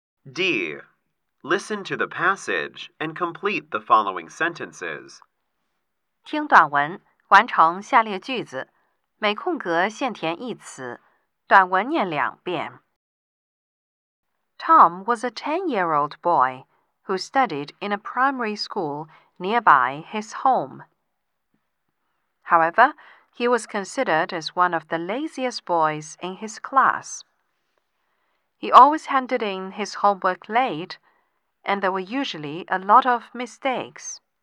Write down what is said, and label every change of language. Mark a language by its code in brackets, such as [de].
[en] D. Listen to the passage and complete the following sentences. [zh] 听短文，完成下列句子，每空格限填一词，短文念两遍。 [en] Tom was a 10-year-old boy who studied in a primary school nearby his home. However, he was considered as one of the laziest boys in his class. He always handed in his homework late, and there were usually a lot of mistakes.